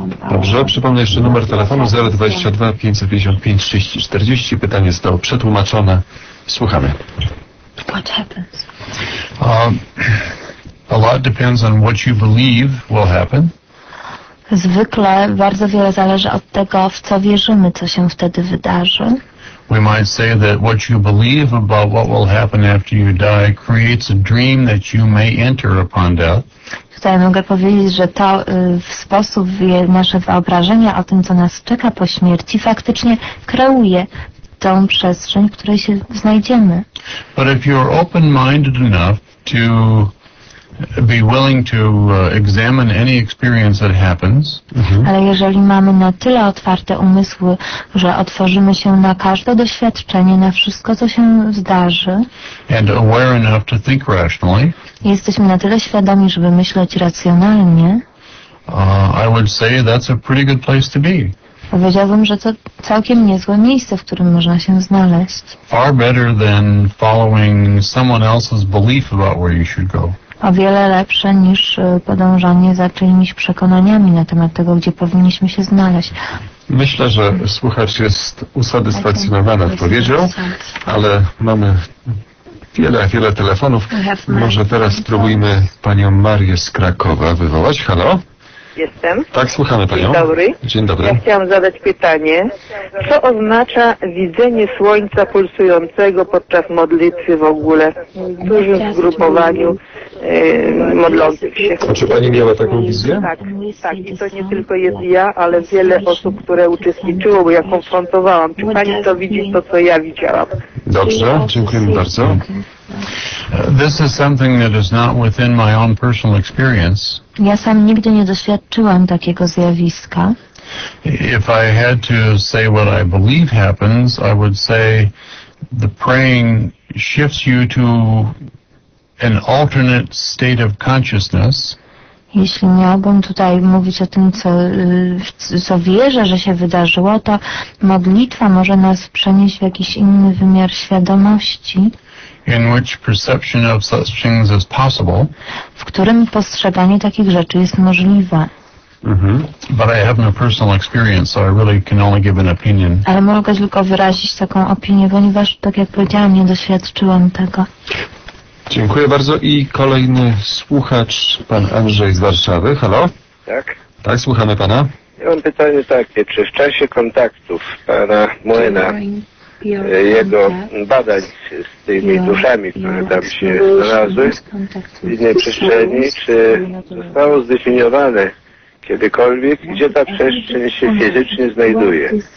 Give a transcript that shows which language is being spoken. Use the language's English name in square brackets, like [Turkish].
[Polish] Dobrze, przypomnę jeszcze numer telefonu 022-555-3040. Pytanie zostało przetłumaczone. Słuchamy. [English] What happens? A lot depends on what you believe will happen. [Polish] Zwykle bardzo wiele zależy od tego, w co wierzymy, co się wtedy wydarzy. [English] We might say that what you believe about what will happen after you die creates a dream that you may enter upon death. [Polish] Tutaj mogę powiedzieć, że to w sposób nasze wyobrażenia o tym, co nas czeka po śmierci, faktycznie kreuje tą przestrzeń, w której się znajdziemy. [English] But if you're open-minded enough to be willing to examine any experience that happens. [Polish] Ale jeżeli mamy na tyle otwarte umysły, że otworzymy się na każde doświadczenie, na wszystko, co się zdarzy, [English] and aware enough to think rationally, [Polish] jesteśmy na tyle świadomi, żeby myśleć racjonalnie, [English] I would say that's a pretty good place to be. [Polish] Powiedziałbym, że to całkiem niezłe miejsce, w którym można się znaleźć. [English] Far better than following someone else's belief about where you should go. [Polish] O wiele lepsze niż podążanie za czyimiś przekonaniami na temat tego, gdzie powinniśmy się znaleźć. Myślę, że słuchacz jest usatysfakcjonowany odpowiedzią, ale mamy wiele telefonów. Może teraz spróbujmy panią Marię z Krakowa wywołać. Halo? Jestem. Tak, słuchamy panią. Dzień dobry. Dzień dobry. Ja chciałam zadać pytanie. Co oznacza widzenie słońca pulsującego podczas modlitwy w ogóle w dużym zgrupowaniu modlących się? A czy pani miała taką wizję? Tak, tak. I to nie tylko jest ja, ale wiele osób, które uczestniczyło, bo ja konfrontowałam. Czy pani to widzi, to co ja widziałam? Dobrze, dziękujemy bardzo. [English] This is something that is not within my own personal experience. [Polish] Ja sam nigdy nie doświadczyłam takiego zjawiska. [English] If I had to say what I believe happens, I would say the praying shifts you to an alternate state of consciousness. [Polish] Jeśli miałbym tutaj mówić o tym, co wierzę, że się wydarzyło, to modlitwa może nas przenieść w jakiś inny wymiar świadomości, [English] in which perception of such things is possible. [Polish] W którym postrzeganie takich rzeczy jest możliwe. [English] But I have no personal experience, so I really can only give an opinion. [Polish] Ale mogę tylko wyrazić taką opinię, ponieważ, tak jak powiedziałam, nie doświadczyłam tego. Dziękuję bardzo. I kolejny słuchacz, pan Andrzej z Warszawy. Halo? Tak. Tak, słuchamy pana. Ja mam pytanie takie. Czy w czasie kontaktów pana Moena, jego badań z tymi duszami, które tam się znalazły w innej przestrzeni, czy zostało zdefiniowane kiedykolwiek, gdzie ta przestrzeń się fizycznie znajduje?